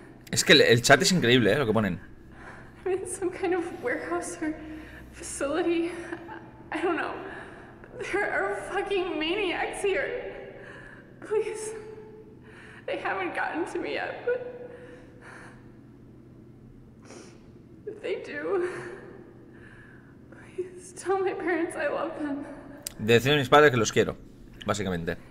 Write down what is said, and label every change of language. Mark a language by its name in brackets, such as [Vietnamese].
[Spanish] Es que el chat es increíble, lo que ponen. [English] I'm in some kind of warehouse or facility. I don't know. There are fucking maniacs here. Please. They haven't gotten to me yet, but if they do, please tell my parents I love them. [Spanish] Decirle a mis padres que los quiero, básicamente.